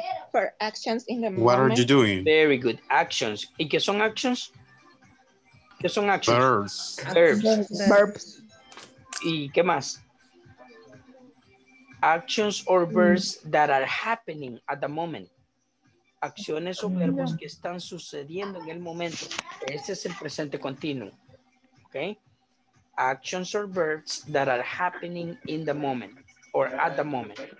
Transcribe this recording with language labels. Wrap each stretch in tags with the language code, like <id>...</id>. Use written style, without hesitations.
<en>For actions in the moment. What are you doing?</en> <es>Very good. Actions. ¿Y qué son actions? ¿Qué son actions?</es> <en>Verbs.</en> <es>¿Y qué más?</es> <en>Actions or verbs that are happening at the moment.</en> <es>Acciones o verbos que están sucediendo en el momento. Ese es el presente continuo. Okay?</es> <en>Actions or verbs that are happening in the moment or at the moment.</en>